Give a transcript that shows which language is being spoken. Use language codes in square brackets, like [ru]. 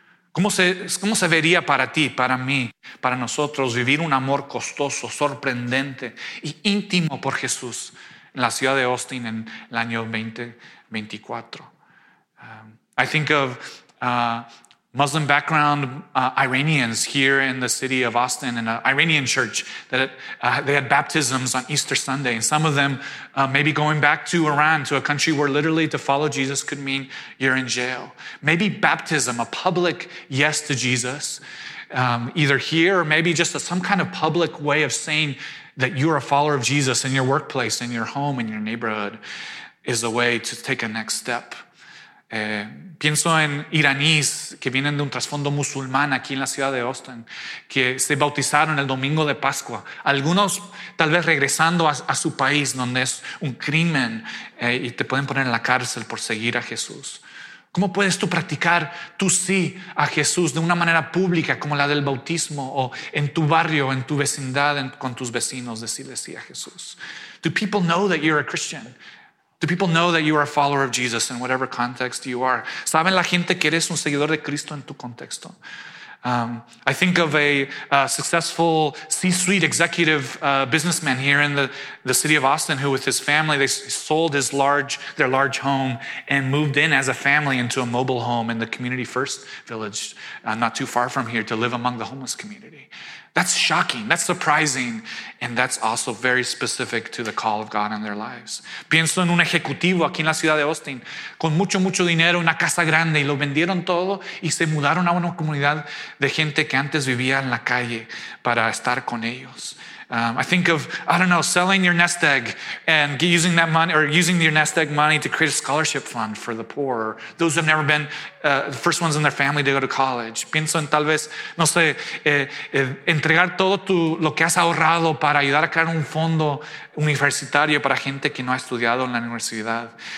[es] ¿Cómo se vería para ti, para mí, para nosotros vivir un amor costoso, sorprendente y íntimo por Jesús en la ciudad de Austin en el año 2024? [en] I think of Muslim background Iranians here in the city of Austin in an Iranian church that they had baptisms on Easter Sunday. And some of them maybe going back to Iran, to a country where literally to follow Jesus could mean you're in jail. Maybe baptism, a public yes to Jesus, either here or maybe just some kind of public way of saying that you're a follower of Jesus in your workplace, in your home, in your neighborhood is a way to take a next step. [es] Pienso en iraníes que vienen de un trasfondo musulmán aquí en la ciudad de Austin, que se bautizaron el domingo de Pascua. Algunos tal vez regresando a su país donde es un crimen y te pueden poner en la cárcel por seguir a Jesús. ¿Cómo puedes tú practicar tu sí a Jesús de una manera pública como la del bautismo o en tu barrio, en tu vecindad, con tus vecinos decirle sí a Jesús? [en] Do people know that you're a Christian? Do people know that you are a follower of Jesus in whatever context you are? [es] ¿Saben la gente que eres un seguidor de Cristo en tu contexto? [en] I think of a successful C-suite executive businessman here in the city of Austin who with his family, they sold their large home and moved in as a family into a mobile home in the Community First Village, not too far from here, to live among the homeless community. That's shocking, that's surprising, and that's also very specific to the call of God in their lives. [es] Pienso en un ejecutivo aquí en la ciudad de Austin con mucho, mucho dinero, una casa grande, y lo vendieron todo y se mudaron a una comunidad de gente que antes vivía en la calle para estar con ellos. [en] I think of, I don't know, selling your nest egg and using that money or using your nest egg money to create a scholarship fund for the poor or those who have never been the first ones in their family to go to college. [es] Pienso en tal vez, no sé, entregar todo lo que has ahorrado para ayudar a crear un fondo universitario para gente que no ha estudiado en la universidad.